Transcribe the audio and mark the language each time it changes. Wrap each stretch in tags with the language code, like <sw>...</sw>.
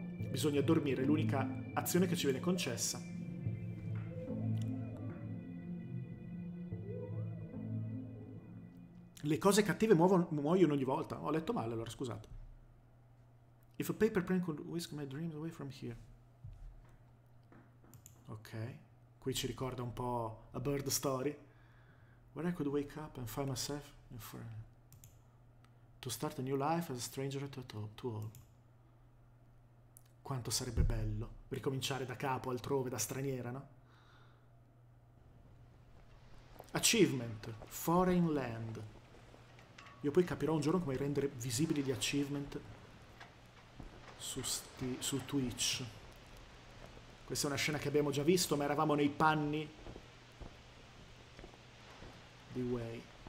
<it>Bisogna dormire, l'unica azione che ci viene concessa. Le cose cattive muoiono ogni volta. Ho letto male, allora scusate.</it> <en>If a paper plane could whisk my dreams away from here.</en> <it>Ok, qui ci ricorda un po' A Bird Story.</it> <en>Where I could wake up and find myself in front. To start a new life as a stranger to all.</en> <it>Quanto sarebbe bello ricominciare da capo, altrove, da straniera, no?</it> <en>Achievement, foreign land.</en> <it>Io poi capirò un giorno come rendere visibili gli achievement su Twitch. Questa è una scena che abbiamo già visto, ma eravamo nei panni di Wei.</it>